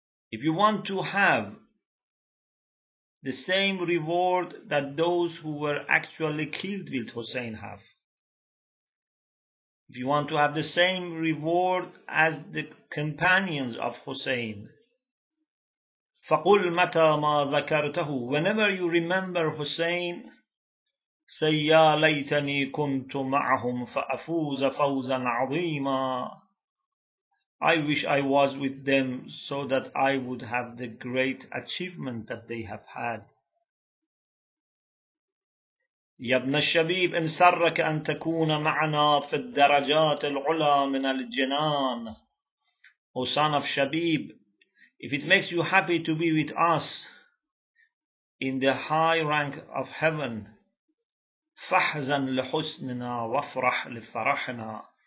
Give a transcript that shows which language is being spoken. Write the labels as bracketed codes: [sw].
[en] If you want to have the same reward that those who were actually killed with Husayn have, if you want to have the same reward as the companions of Husayn, [ar] فَقُلْ مَتَى مَا ذَكَرْتَهُ. [en] Whenever you remember Husayn, say, [ar] يَا لَيْتَنِي كُنْتُ مَعْهُمْ فَأَفُوزَ فَوْزًا عَظِيمًا. [en] I wish I was with them so that I would have the great achievement that they have had. [ar] يَبْنَ الشَّبِيبِ إِنْ سَرَّكَ أَنْ تَكُونَ مَعْنَا فِي الدَّرَجَاتِ الْعُلَى مِنَ الْجِنَانِ. [en] O son of Shabib, if it makes you happy to be with us in the high rank of heaven, [ar] فَحْزَنْ لِحُسْنِنَا وَفْرَحْ لِفَرَحْنَا.